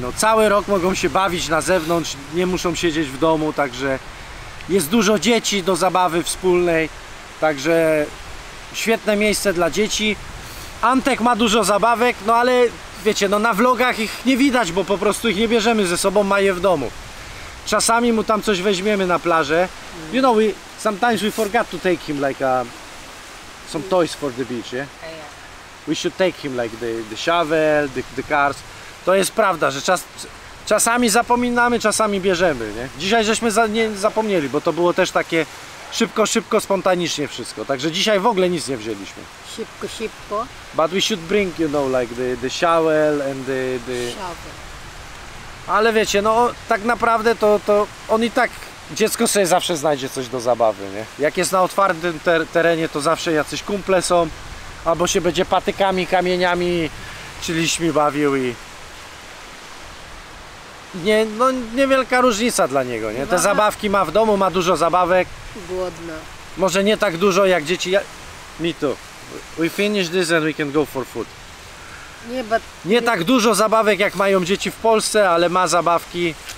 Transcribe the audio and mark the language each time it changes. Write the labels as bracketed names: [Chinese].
[Polish] No, cały rok mogą się bawić na zewnątrz, nie muszą siedzieć w domu, także jest dużo dzieci do zabawy wspólnej, także świetne miejsce dla dzieci. Antek ma dużo zabawek, no ale wiecie, no na vlogach ich nie widać, bo po prostu ich nie bierzemy ze sobą, ma je w domu. Czasami mu tam coś weźmiemy na plażę. [English] You know, sometimes we forgot to take him like some toys for the beach, yeah? We should take him like the shovel, the cars. [Polish] To jest prawda, że czasami zapominamy, czasami bierzemy, nie? Dzisiaj żeśmy nie zapomnieli, bo to było też takie szybko, spontanicznie wszystko. Także dzisiaj w ogóle nic nie wzięliśmy. Szybko. [English] But we should bring, you know, like the shovel and the... Shovel. [Polish] Ale wiecie, no tak naprawdę to on i tak... Dziecko sobie zawsze znajdzie coś do zabawy, nie? Jak jest na otwartym terenie, to zawsze jacyś kumple są. Albo się będzie patykami, kamieniami, czy liśćmi bawił i... Nie, no niewielka różnica dla niego, nie? Te zabawki ma w domu, ma dużo zabawek. Głodno. Może nie tak dużo jak dzieci... [English] Me too. We finish this and we can go for food. [Polish] Nie tak dużo zabawek jak mają dzieci w Polsce, ale ma zabawki.